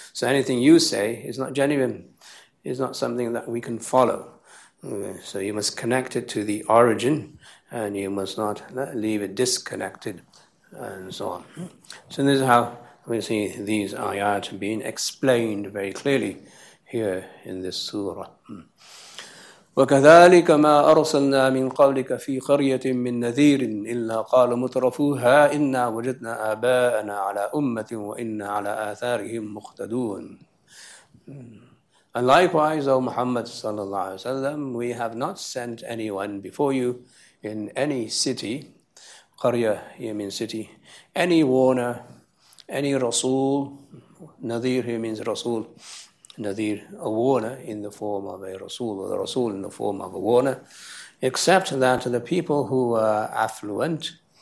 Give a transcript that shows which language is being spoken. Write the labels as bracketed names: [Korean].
[English] So anything you say is not genuine, is not something that we can follow. So you must connect it to the origin, and you must not leave it disconnected, and so on. So this is how we see these ayat being explained very clearly here in this surah. [Arabic] وكذلك ما أرسلنا من قبلك في قرية من نذير إلا قال مترفوها إنا وجدنا آباءنا على أمة وإنا على آثارهم مقتدون. [English] And likewise, O Muhammad sallallahu alaihi wasallam, we have not sent anyone before you in any city, qarya, here means city, any warner, any rasul, nadir here means rasul, nadir, a warner in the form of a rasul, or the rasul in the form of a warner, except that the people who were affluent,